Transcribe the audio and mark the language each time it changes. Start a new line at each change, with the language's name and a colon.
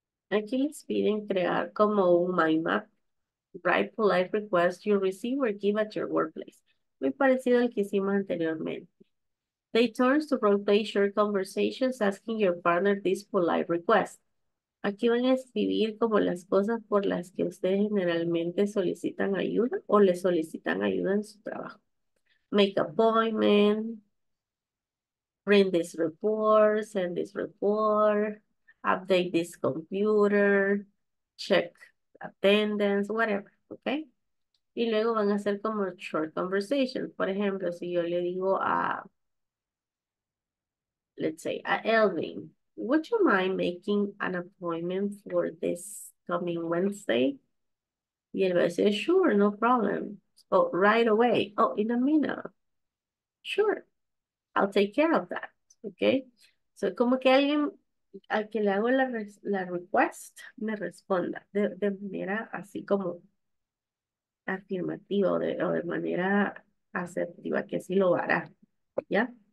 Spanish: Aquí les piden crear como un mind map.
English: Write polite request you receive or give at your workplace.
Spanish: Muy parecido al que hicimos anteriormente.
English: They turn to rotate your conversations asking your partner this polite request.
Spanish: Aquí van a escribir como las cosas por las que ustedes generalmente solicitan ayuda o le solicitan ayuda en su trabajo.
English: Make appointment, print this report, send this report, update this computer, check attendance, whatever, okay?
Spanish: Y luego van a hacer como
English: short conversations.
Spanish: Por ejemplo, si yo le digo a,
English: let's say, a Elvin, would you mind making an appointment for this coming Wednesday?
Spanish: Y él va a decir,
English: sure, no problem. Oh, right away. Oh, in a minute. Sure, I'll take care of that, okay? So
Spanish: como que alguien al que le hago la request me responda de manera así como afirmativa o de manera asertiva, que sí lo hará, ¿ya?